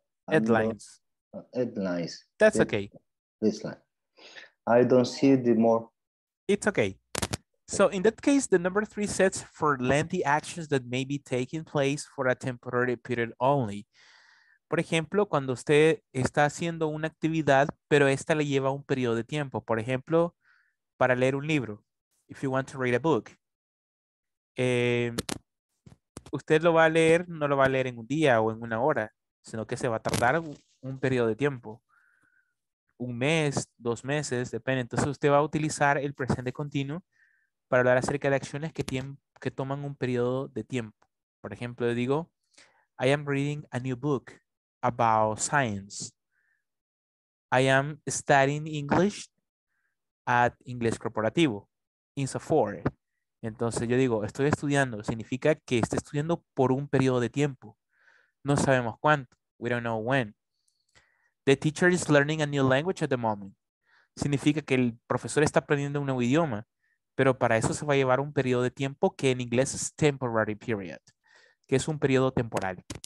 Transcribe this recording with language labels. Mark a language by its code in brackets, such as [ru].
[en] Headlines. That's okay. This line. I don't see the more. It's okay. So in that case, the number three sets for lengthy actions that may be taking place for a temporary period only. [es] Por ejemplo, cuando usted está haciendo una actividad, pero esta le lleva un periodo de tiempo. Por ejemplo, para leer un libro. [en] If you want to read a book. [es] Usted lo va a leer, no lo va a leer en un día o en una hora, sino que se va a tardar un periodo de tiempo. Un mes, dos meses, depende. Entonces usted va a utilizar el presente continuo para hablar acerca de acciones que toman un periodo de tiempo. Por ejemplo, le digo, [en] I am reading a new book about science. I am studying English at Inglés Corporativo. It's a four. [es] Entonces yo digo, estoy estudiando. Significa que esté estudiando por un periodo de tiempo. No sabemos cuánto. [en] We don't know when. The teacher is learning a new language at the moment. [es] Significa que el profesor está aprendiendo un nuevo idioma, pero para eso se va a llevar un periodo de tiempo que en inglés es temporary period, que es un periodo temporal.